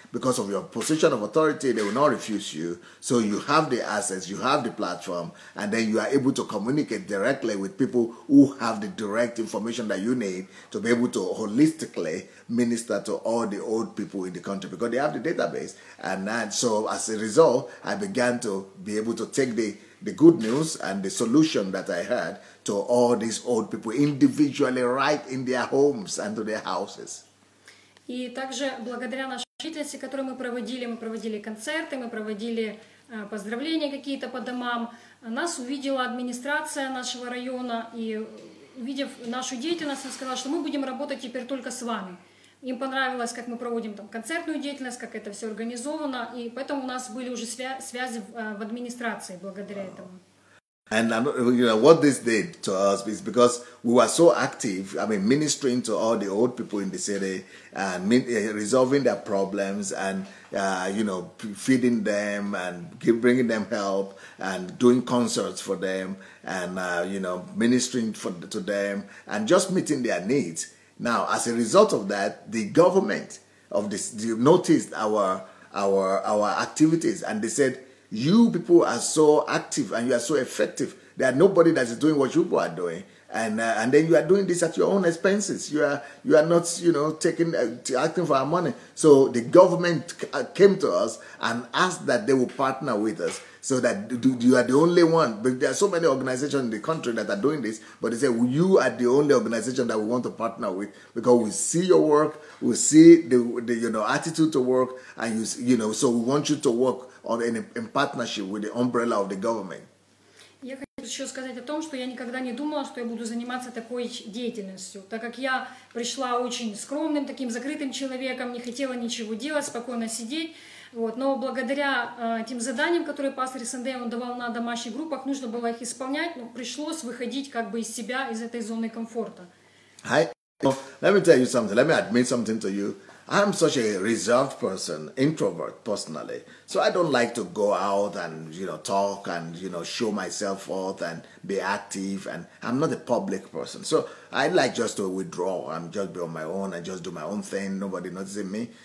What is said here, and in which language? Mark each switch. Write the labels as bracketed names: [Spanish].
[English] Because of your position of authority, they will not refuse you. So you have the access, you have the platform, and then you are able to communicate directly with people who have the direct information that you need to be able to holistically minister to all the old people in the country, because they have the database. And that, so as a result, I began to be able to take the good news and the solution that I had to all these old people individually, right in their homes and to their houses. [Russian] И также благодаря нашей деятельности, которую мы проводили концерты, мы проводили поздравления какие-то по домам, нас увидела администрация нашего района, и увидев нашу деятельность, она сказала, что мы будем работать теперь только с вами. Им понравилось, как мы проводим там концертную деятельность, как это все организовано, и поэтому у нас были уже связи в администрации благодаря этому. [English] And what this did to us is because we were so active, ministering to all the old people in the city and resolving their problems and, feeding them and bringing them help and doing concerts for them and, ministering to them and just meeting their needs. Now, as a result of that, the government of this noticed our activities, and they said, "You people are so active and you are so effective. There are nobody that is doing what you people are doing, and then you are doing this at your own expenses. You are not acting for our money." So the government came to us and asked that they will partner with us, so that you are the only one. But there are so many organizations in the country that are doing this, but they say, "You are the only organization that we want to partner with, because we see your work, we see the attitude to work, and so we want you to work in partnership with the umbrella of the government." [Russian] Я хочу еще сказать о том, что я никогда не думала, что я буду заниматься такой деятельностью, так как я пришла очень скромным, таким закрытым человеком, не хотела ничего делать, спокойно сидеть. Вот. Но благодаря тем заданиям, которые пастор Сандей он давал на домашних группах, нужно было их исполнять, но пришлось выходить как бы из себя, из этой зоны комфорта. [English] Hi. Let me tell you something, let me admit something to you. I'm such a reserved person, introvert personally, so I don't like to go out and, talk and, show myself forth and be active, and I'm not a public person. So I like just to withdraw and just be on my own and just do my own thing, nobody noticing me.